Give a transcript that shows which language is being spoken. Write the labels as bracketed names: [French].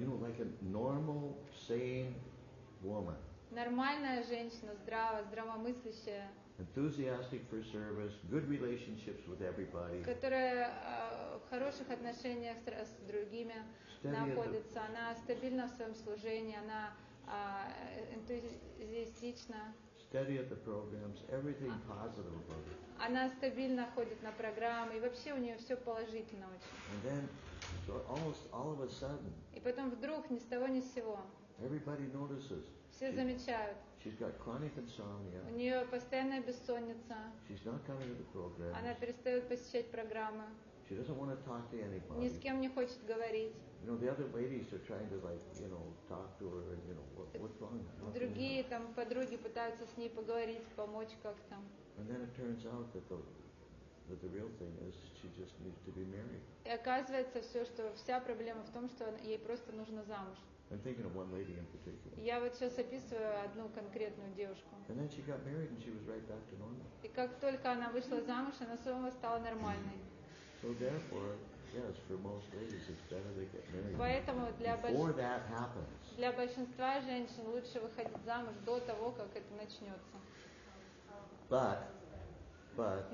[English] You know, like a normal, sane woman. [Russian] Нормальная женщина, здравомыслящая. [English] Enthusiastic for service, good relationships with everybody. [Russian] Которая в хороших отношениях с другими находится. Она стабильна в своем служении. Она энтузиастична. [English] Steady at the programs, everything positive about it. [Russian] Она стабильно ходит на программы, и вообще у нее все положительно очень. [English] And then, so almost all of a sudden. [Russian] И потом вдруг ни с того ни с сего. [English] Everybody notices. [Russian] Все замечают. [English] She's got chronic insomnia. [Russian] У нее постоянная бессонница. [English] She's not coming to the programs. [Russian] Она перестает посещать программы. [English] She doesn't want to talk to anybody. [Russian] Ни с кем не хочет говорить. [English] You know, the other ladies are trying to, like, you know, talk to her, and, you know, what's wrong? [Russian] Другие там подруги пытаются с ней поговорить, помочь как-то. [English] And then it turns out that the real thing is she just needs to be married. [Russian] И оказывается все, что вся проблема в том, что ей просто нужно замуж. [English] I'm thinking of one lady in particular. [Russian] Я вот сейчас описываю одну конкретную девушку. [English] And then she got married, and she was right back to normal. [Russian] И как только она вышла замуж, она снова стала нормальной. [English] So therefore, yes, for most ladies, it's better to get married. [Russian] Поэтому для большинства женщин лучше выходить замуж до того, как это начнется. [English] But.